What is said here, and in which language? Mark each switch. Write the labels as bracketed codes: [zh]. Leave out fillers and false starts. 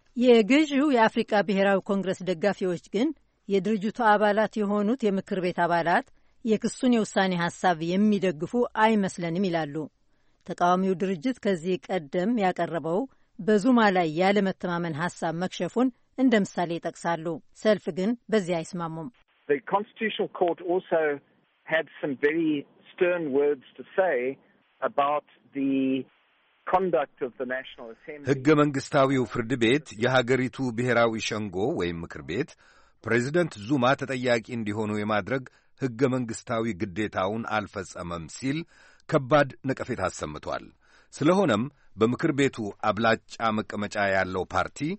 [am] የግዢው የአፍሪካ ብሔራዊ ኮንግረስ ደጋፊዎች ግን የድርጅቱ አባላት የሆኑት የምክር ቤት አባላት የክሱን የውሳኔ ሐሳብ የሚደግፉ አይመስለንም ይላሉ። ተቃዋሚው ድርጅት ከዚህ ቀደም ያቀረበው በዙማ ላይ ያለ መተማመን ሐሳብ መክሸፉን እንደ ምሳሌ ይጠቅሳሉ። ሰልፍ ግን በዚህ አይስማሙም። [en] The Constitutional Court also had some very stern words to say about the conduct of the National Assembly. [am] ሕገ መንግሥታዊው ፍርድ ቤት የሀገሪቱ ብሔራዊ ሸንጎ ወይም ምክር ቤት ፕሬዚደንት ዙማ ተጠያቂ እንዲሆኑ የማድረግ ሕገ መንግሥታዊ ግዴታውን አልፈጸመም ሲል ከባድ ነቀፌታ አሰምቷል። ስለሆነም በምክር ቤቱ አብላጫ መቀመጫ ያለው ፓርቲ